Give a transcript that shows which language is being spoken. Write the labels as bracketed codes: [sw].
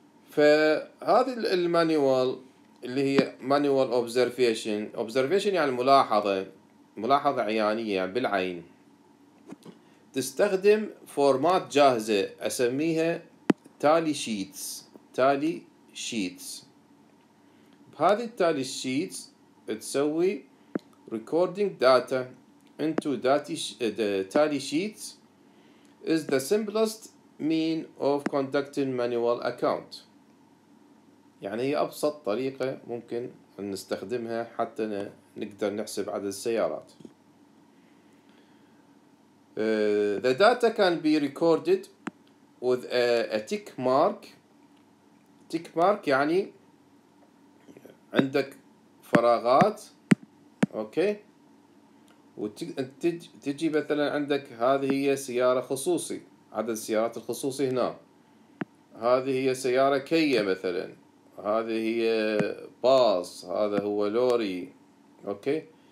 [ar] فهذه المانيوال اللي هي مانيوال أوبزرفيشن، أوبزرفيشن يعني ملاحظة، ملاحظة عيانية يعني بالعين، تستخدم فورمات جاهزة أسميها تالي شيتس. تالي شيتس، بهذه التالي شيتس تسوي [en] recording data into tally sheets is the simplest mean of conducting manual account. [ar] يعني هي أبسط طريقة ممكن أن نستخدمها حتى نقدر نحسب عدد السيارات. [en] The data can be recorded with a tick mark. [ar] Tick mark يعني عندك فراغات، اوكي، وتجي مثلا عندك هذه هي سيارة خصوصي، عدد السيارات الخصوصي هنا، هذه هي سيارة كية مثلا، هذه هي باص، هذا هو لوري، اوكي.